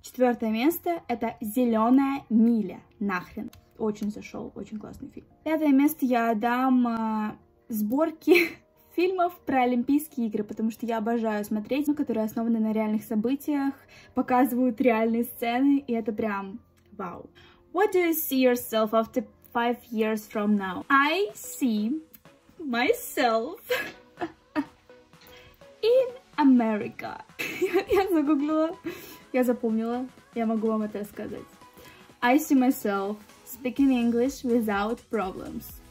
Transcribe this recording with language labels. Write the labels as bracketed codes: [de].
[ru] Четвертое место – это «Зеленая миля». Нахрен. Очень зашел, очень классный фильм. Пятое место я дам сборке фильмов про Олимпийские игры, потому что я обожаю смотреть, которые основаны на реальных событиях, показывают реальные сцены, и это прям вау. [en] What do you see yourself after 5 years from now? I see myself in America. [ru] Я загуглила, я запомнила, я могу вам это сказать. [en] I see myself speaking English without problems.